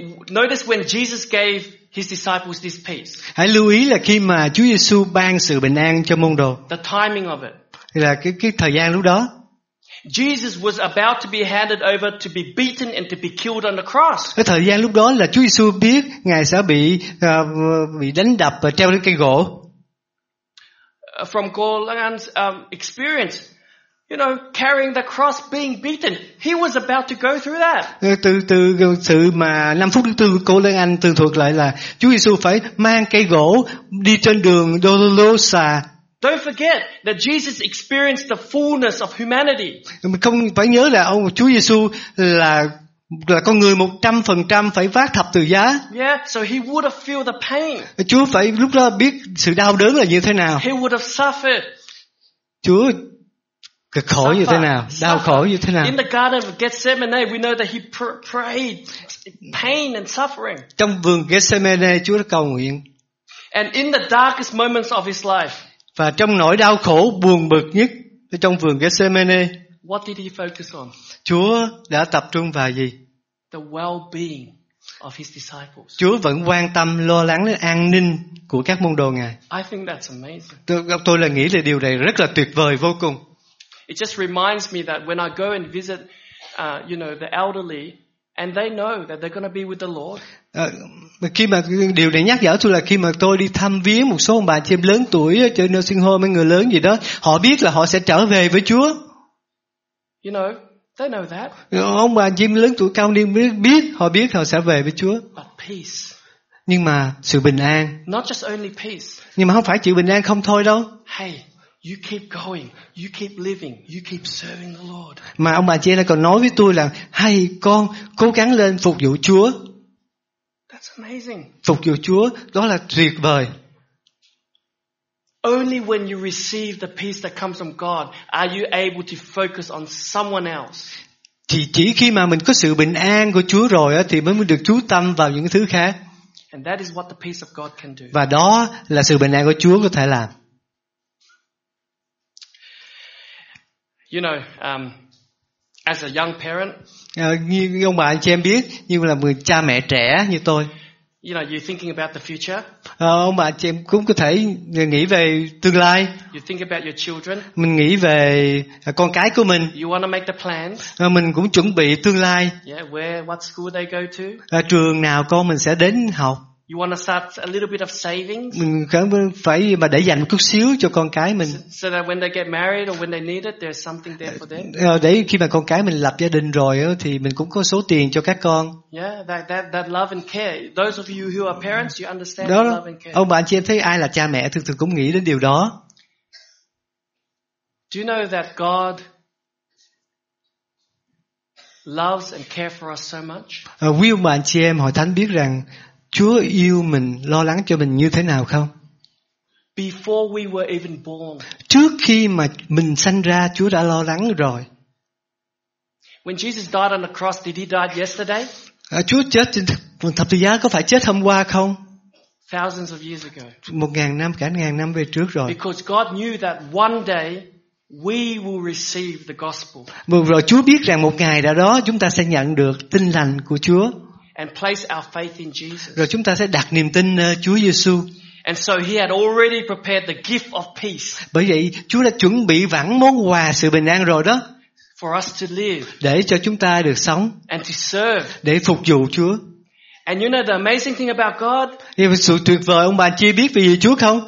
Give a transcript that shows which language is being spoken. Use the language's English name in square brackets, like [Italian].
[English] Notice when Jesus gave his disciples this peace. [Vietnamese] Hãy lưu ý là khi mà Chúa Giêsu ban sự bình an cho môn đồ. [English] The timing of it. [Vietnamese] Là cái thời gian lúc đó. [English] Jesus was about to be handed over to be beaten and to be killed on the cross. [Vietnamese] Cái thời gian lúc đó là Chúa Giêsu biết Ngài sẽ bị đánh đập và treo lên cây gỗ. [English] From Golan's experience, you know, carrying the cross, being beaten, he was about to go through that. [Vietnamese] Từ sự mà 5 phút thứ tư của Golan tường thuật lại là Chúa Giêsu phải mang cây gỗ đi trên đường Dolorosa. [English] Don't forget that Jesus experienced the fullness of humanity. [Vietnamese] Không phải nhớ là ông Chúa Giêsu là con người 100% phải vác thập tự giá. [English] Yeah, so he would have felt the pain. [Vietnamese] Chúa phải lúc đó biết sự đau đớn là như thế nào. [English] He would have suffered. [Vietnamese] Chúa cực khổ như thế nào, đau khổ như thế nào. [English] In the Garden of Gethsemane, we know that he prayed pain and suffering. [Vietnamese] Trong vườn Gethsemane, Chúa đã cầu nguyện. [English] And in the darkest moments of his life. [Vietnamese] Và trong nỗi đau khổ buồn bực nhất trong vườn Gethsemane. [English] What did he focus on? [Vietnamese] Chúa đã tập trung vào gì? [English] The well-being of his disciples. [Vietnamese] Chúa vẫn quan tâm lo lắng đến an ninh của các môn đồ Ngài. [English] I think that's amazing. [Vietnamese] Tôi là nghĩ là điều này rất là tuyệt vời vô cùng. [English] It just reminds me that when I go and visit you know, the elderly and they know that they're going to be with the Lord. [Vietnamese] Khi mà điều này nhắc nhở tôi là khi mà tôi đi thăm viếng một số ông bà chị em lớn tuổi ở nursing home, mấy người lớn gì đó, họ biết là họ sẽ trở về với Chúa. [English] You know, they know that. [Vietnamese] Ông bà chị em lớn tuổi cao niên biết, họ biết họ sẽ về với Chúa. [English] But peace. [Vietnamese] Nhưng mà sự bình an. [English] Not just only peace. [Vietnamese] Nhưng mà không phải chỉ bình an không thôi đâu. [English] Hey, you keep going, you keep living, you keep serving the Lord. [Vietnamese] Mà ông bà chị em lại còn nói với tôi là, hay con cố gắng lên phục vụ Chúa. [English] That's amazing. [Vietnamese] Phục vụ Chúa đó là tuyệt vời. [English] Only when you receive the peace that comes from God are you able to focus on someone else. [Vietnamese] Thì chỉ khi mà mình có sự bình an của Chúa rồi á thì mới được chú tâm vào những thứ khác. [English] And that is what the peace of God can do. [Vietnamese] Và đó là sự bình an của Chúa có thể làm. [English] You know, as a young parent, [Vietnamese] Như ông bà anh chị em biết, như là người cha mẹ trẻ như tôi. [English] You know, you're thinking about the future. [Vietnamese] Ông bà anh chị em cũng có thể nghĩ về tương lai. [English] You think about your children. [Vietnamese] Mình nghĩ về con cái của mình. [English] You want to make the plans. [Vietnamese] Mình cũng chuẩn bị tương lai. [English] Yeah, where, what school they go to. [Vietnamese] Trường nào con mình sẽ đến học. [English] You want to start a little bit of savings. [Vietnamese] Mình phải mà để dành chút xíu cho con cái mình. [English] So that when they get married or when they need it, there's something there for them. [Vietnamese] Để khi mà con cái mình lập gia đình rồi thì mình cũng có số tiền cho các con. [English] Yeah, that love and care. Those of you who are parents, you understand [Vietnamese] đó, [English] love and care. [Vietnamese] Ông bà anh chị em thấy ai là cha mẹ thường thường cũng nghĩ đến điều đó. [English] Do you know that God loves and cares for us so much? [Vietnamese] Quý ông bà anh chị em hội thánh biết rằng Chúa yêu mình, lo lắng cho mình như thế nào không? [English] Before we were even born. [Vietnamese] Trước khi mà mình sanh ra, Chúa đã lo lắng rồi. [English] When Jesus died on the cross, did he die yesterday? [Vietnamese] Chúa chết trên thập tự giá có phải chết hôm qua không? [English] Thousands of years ago. [Vietnamese] Một ngàn năm, cả ngàn năm về trước rồi. [English] Because God knew that one day we will receive the gospel. [Vietnamese] Mừng rồi, Chúa biết rằng một ngày nào đó chúng ta sẽ nhận được tin lành của Chúa. [English] And place our faith in Jesus. [Vietnamese] Rồi chúng ta sẽ đặt niềm tin Chúa Giêsu. [English] And so he had already prepared the gift of peace. [Vietnamese] Bởi vậy Chúa đã chuẩn bị vẵn món quà sự bình an rồi đó. [English] For us to live. [Vietnamese] Để cho chúng ta được sống. [English] And to serve. [Vietnamese] Để phục vụ Chúa. [English] And you know the amazing thing about God? [Vietnamese] Sự tuyệt vời ông bà chị biết về Chúa không?